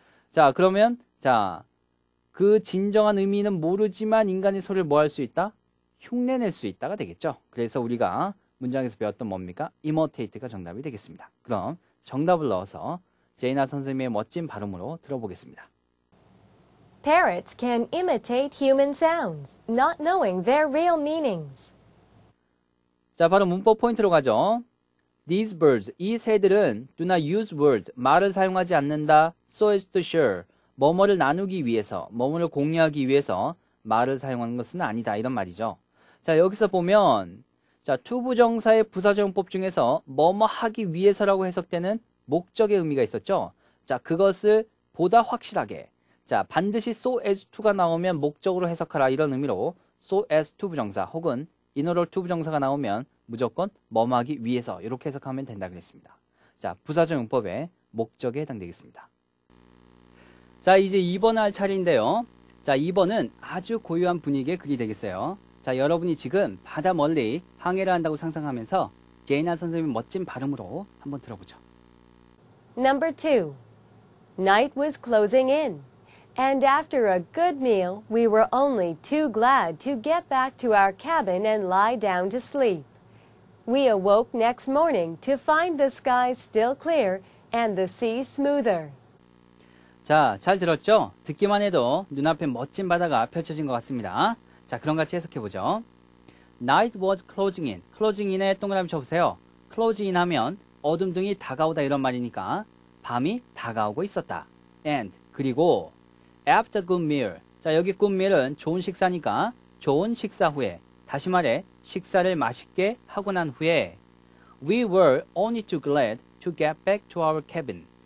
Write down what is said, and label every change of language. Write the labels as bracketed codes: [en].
[ko] 자, 그러면 자, 그 진정한 의미는 모르지만 인간의 소리를 뭐 할 수 있다? 흉내낼 수 있다가 되겠죠. 그래서 우리가 문장에서 배웠던 뭡니까? imitate가 정답이 되겠습니다. 그럼 정답을 넣어서 제이나 선생님의 멋진 발음으로 들어보겠습니다. [en] Parrots can imitate human sounds, not knowing their real meanings. [ko] 자, 바로 문법 포인트로 가죠. [en] These birds, [ko] 이 새들은 [en] do not use words, [ko] 말을 사용하지 않는다. [en] So as to share, [ko] 뭐뭐를 나누기 위해서, 뭐뭐를 공유하기 위해서 말을 사용하는 것은 아니다. 이런 말이죠. 자, 여기서 보면 자 to 부정사의 부사적용법 중에서 뭐뭐 하기 위해서라고 해석되는 목적의 의미가 있었죠. 자, 그것을 보다 확실하게, 자 반드시 so as to가 나오면 목적으로 해석하라 이런 의미로 so as to 부정사 혹은 in order to 부정사가 나오면 무조건 뭐뭐하기 위해서 이렇게 해석하면 된다 그랬습니다. 자, 부사적용법의 목적에 해당되겠습니다. 자, 이제 2번을 할 차례인데요. 자, 2번은 아주 고요한 분위기의 글이 되겠어요. 자, 여러분이 지금 바다 멀리 항해를 한다고 상상하면서 제이나 선생님의 멋진 발음으로 한번 들어보죠. [en] Number 2. Night was closing in. And after a good meal, we were only too glad to get back to our cabin and lie down to sleep. We awoke next morning to find the sky still clear and the sea smoother. [ko] 자, 잘 들었죠? 듣기만 해도 눈앞에 멋진 바다가 펼쳐진 것 같습니다. 자, 그럼 같이 해석해보죠. [en] Night was closing in. [ko] Closing in에 동그라미 쳐보세요. Closing in 하면 어둠둥이 다가오다 이런 말이니까 밤이 다가오고 있었다. And, 그리고 [en] after good meal. [ko] 자, 여기 good meal은 좋은 식사니까 좋은 식사 후에, 다시 말해 식사를 맛있게 하고 난 후에 [en] we were only too glad to get back to our cabin.